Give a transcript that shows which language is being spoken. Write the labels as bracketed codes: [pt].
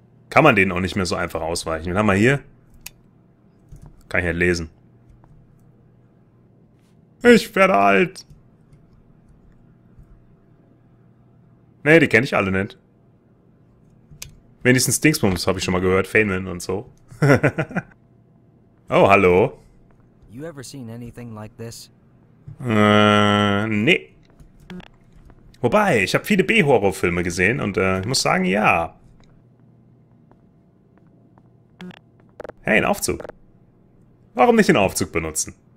[de] Kann man den auch nicht mehr so einfach ausweichen. Wir haben mal hier. Kann ich nicht lesen. Ich werde alt. Nee, die kenne ich alle nicht. Wenigstens Dingsbums habe ich schon mal gehört. Feynman und so. Oh, hallo. [en] You ever seen anything like this? [de] Nee. Wobei, ich habe viele B-Horror-Filme gesehen und ich muss sagen, ja. Hey, ein Aufzug. Warum nicht den Aufzug benutzen?